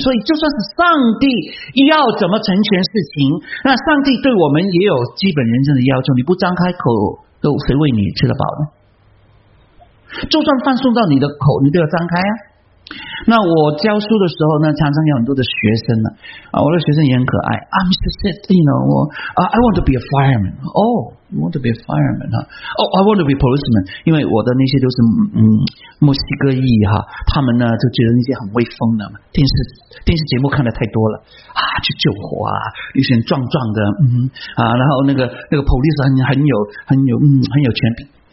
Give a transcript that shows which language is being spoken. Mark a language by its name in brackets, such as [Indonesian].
[Chinese] 所以就算是上帝要怎么成全事情，那上帝对我们也有基本人生的要求，你不张开口都谁为你吃得饱呢？就算饭送到你的口，你都要张开啊。那我教书的时候呢，常常有很多的学生呢、啊，我的学生也很可爱。 [English] I'm just, you know, I want to be a fireman. Oh, I want to be a fireman. Oh, I want to be a policeman. [Chinese] 因为我的那些都是墨西哥裔哈，他们呢就觉得那些很威风的嘛，电视节目看的太多了啊，去救火啊，一些壮壮的然后那个 police 很有权柄。